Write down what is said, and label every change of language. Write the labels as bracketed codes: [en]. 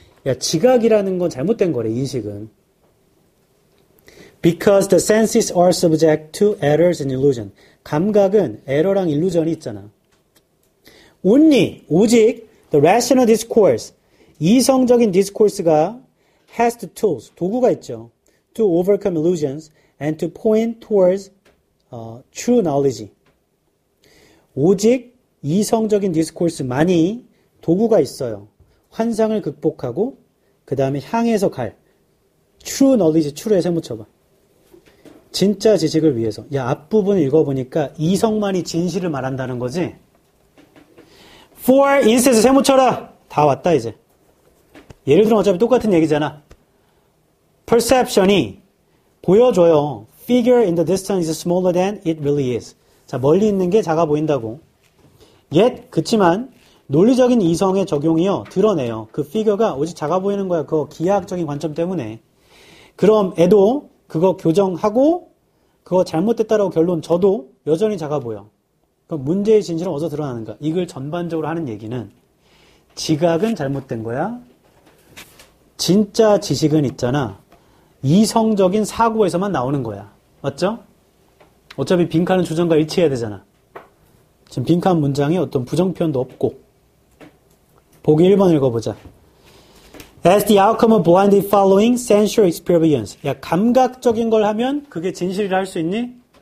[ko] 야, 지각이라는 건 잘못된 거래, 인식은. [en] Because the senses are subject to errors and illusion. [ko] 감각은 에러랑 일루전이 있잖아. Only, 오직 [en] the rational discourse, [ko] 이성적인 discourse가 [en] has the tools, [ko] 도구가 있죠. [en] To overcome illusions. And to point towards true knowledge. [ko] 오직 이성적인 디스코스만이 도구가 있어요. 환상을 극복하고 그 다음에 향해서 갈 true knowledge, true에 세모 쳐봐. 진짜 지식을 위해서. 야, 앞부분 읽어보니까 이성만이 진실을 말한다는 거지. For instance, 세모 쳐라. 다 왔다 이제. 예를 들어 어차피 똑같은 얘기잖아. Perception이 보여줘요. [en] Figure in the distance is smaller than it really is. [ko] 자, 멀리 있는 게 작아 보인다고. Yet, 그치만, 논리적인 이성의 적용이요. 드러내요. 그 figure가 오직 작아 보이는 거야. 그거 기하학적인 관점 때문에. 그럼에도, 그거 교정하고, 그거 잘못됐다라고 결론 져도 여전히 작아 보여. 그럼 문제의 진실은 어디서 드러나는가? 이걸 전반적으로 하는 얘기는, 지각은 잘못된 거야. 진짜 지식은 있잖아. 이성적인 사고에서만 나오는 거야. 맞죠? 어차피 빈칸은 주장과 일치해야 되잖아. 지금 빈칸 문장에 어떤 부정 표현도 없고. 보기 1번 읽어보자. [en] As the outcome of blindly following sensual experience. [ko] 야, 감각적인 걸 하면 그게 진실이라 할수 있니?